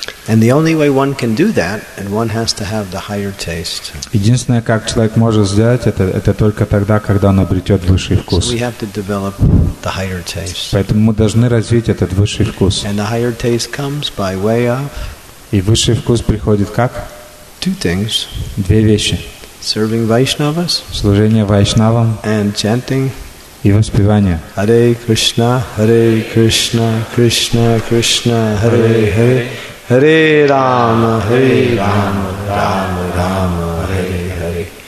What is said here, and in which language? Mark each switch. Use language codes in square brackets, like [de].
[en] And the only way one can do that, and one has to have the higher taste. [ru] Единственное, как человек может сделать это только тогда, когда он обретет высший вкус. [en] So we have to develop the higher taste. [ru] Поэтому мы должны развить этот высший вкус. [en] And the higher taste comes by way of. [ru] И высший вкус приходит как? [en] Two things. [ru] Две вещи. [en] Serving Vaishnavas. [ru] Служение вайшнавам. [en] And chanting. [ru] И воспевание. [sa] Hare Krishna, Hare Krishna, Krishna Krishna, Hare Hare. Hare Rama, Hare Rama, Rama Rama, Hare Hare.